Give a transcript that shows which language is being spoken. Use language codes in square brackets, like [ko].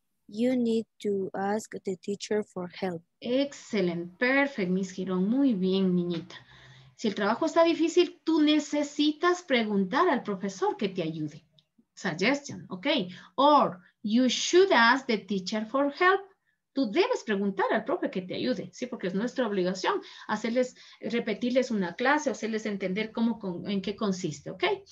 [en] You need to ask the teacher for help. Excellent, perfect, Miss Girón. [es] Muy bien, niñita. Si el trabajo está difícil, tú necesitas preguntar al profesor que te ayude. [en] Suggestion, ok. Or, you should ask the teacher for help. [es] Tú debes preguntar al profe que te ayude, ¿sí? Porque es nuestra obligación hacerles, repetirles una clase o hacerles entender cómo, en qué consiste, ¿ok?